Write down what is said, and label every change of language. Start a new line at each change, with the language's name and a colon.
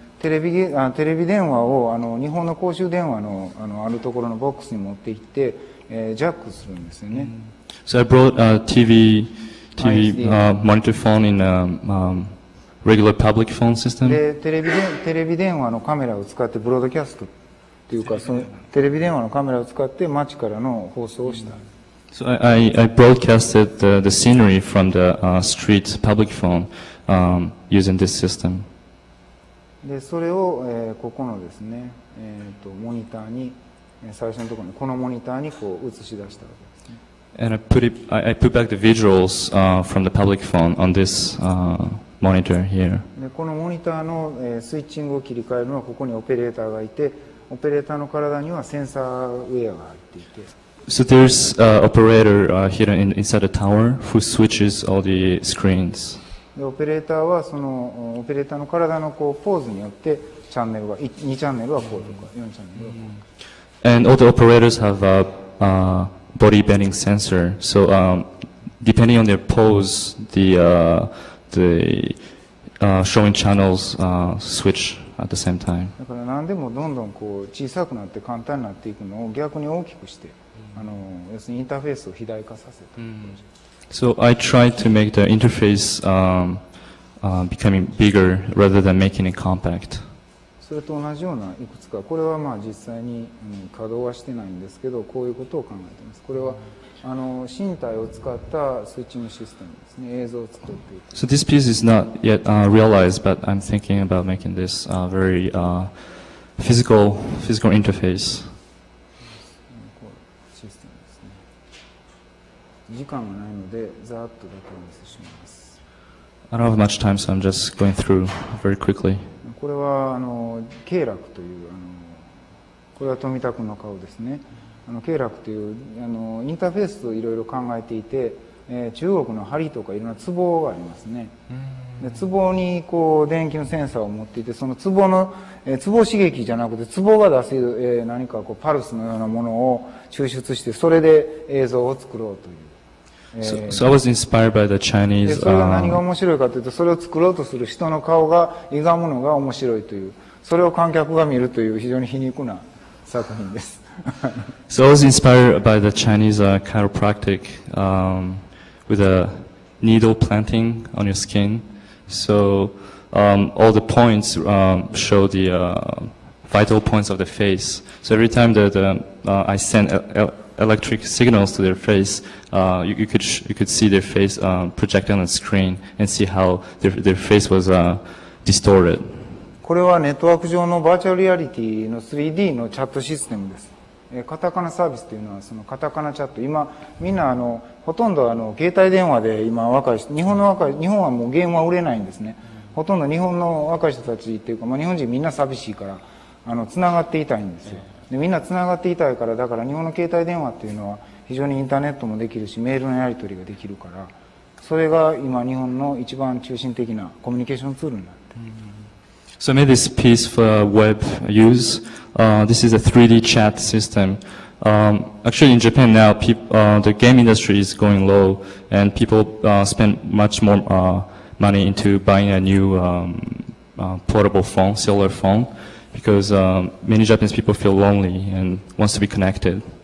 Japanese: テレビ電話を日本の公衆電話のあるところのボックスに持って行って、ジャックするんですよね。
English: So I brought a TV monitor phone in regular public phone system.
Japanese: テレビ電話のカメラを使ってブロードキャストっていうか、そのテレビ電話のカメラを使って街からの放送をした。
English: So I broadcasted the scenery from the street public phone using this system.
Japanese: で、それを、ここのですね、モニターに、最初のところにこのモニターにこう映し出したわけですね。
English: And I put back the visuals from the public phone on this. Monitor here.
Japanese: でこのモニターの、スイッチングを切り替えるのはここにオペレーターがいて、オペレーターの体にはセンサーウェアが入っていて。
English: So there's an operator here inside the tower who switches all the screens.
Japanese: でオペレーターはそのオペレーターの体のこうポーズによってチャンネルが2チャンネルはこうとか4チャンネルはこう。
English: And all the operators have a body bending sensor. So depending on their pose, the showing channels switch at the same time.
Japanese: だから何でもどんどんこう小さくなって簡単になっていくのを逆に大きくして、要するにインターフェースを肥大化させた。
English: So I tried to make the interface becoming bigger rather than making it compact.
Japanese: それと同じようないくつか、これはまあ実際に稼働はしてないんですけど、こういうことを考えています。これは身体を使ったスイッチングシステムですね。映像を作っていく。
English: So this piece is not yet realized, but I'm thinking about making this very physical interface.
Japanese: システムですね。時間がないのでざっとだけお見せします。
English: I don't have much time, so I'm just going through very quickly.
Japanese: これはあの慶楽という、あのこれは富田君の顔ですね。あの慶楽という、あのインターフェースをいろいろ考えていて、中国の針とかいろんな壺がありますね。で壺にこう電気のセンサーを持っていて、その壺の、壺刺激じゃなくて壺が出せる、何かこうパルスのようなものを抽出して、それで映像を作ろうという。
English: So I was inspired by the Chinese.
Japanese: それが何が面白いかというと、それを作ろうとする人の顔が歪むのが面白いという、それを観客が見るという非常に皮肉な作品です。
English: So I was inspired by the Chinese chiropractic, with a needle planting on your skin. So all the points show the vital points of the face. So every time that I send electric signals to their face, you could see their face projected on the screen and see how their face was distorted.
Japanese: これはネットワーク上のバーチャルリアリティの 3D のチャットシステムです。カタカナサービスというのは、そのカタカナチャット、今みんなあのほとんどあの携帯電話で、今若い人、日本の若い、日本はもうゲームは売れないんですね。ほとんど日本の若い人たちっていうか、まあ、日本人みんな寂しいから、あのつながっていたいんですよ。でみんなつながっていたいから、だから日本の携帯電話っていうのは非常にインターネットもできるし、メールのやり取りができるから、それが今日本の一番中心的なコミュニケーションツールになってる。
English: So I made this piece for web use. This is a 3D chat system. Actually, in Japan now, the game industry is going low, and people spend much more money into buying a new portable phone, cellular phone, because many Japanese people feel lonely and wants to be connected.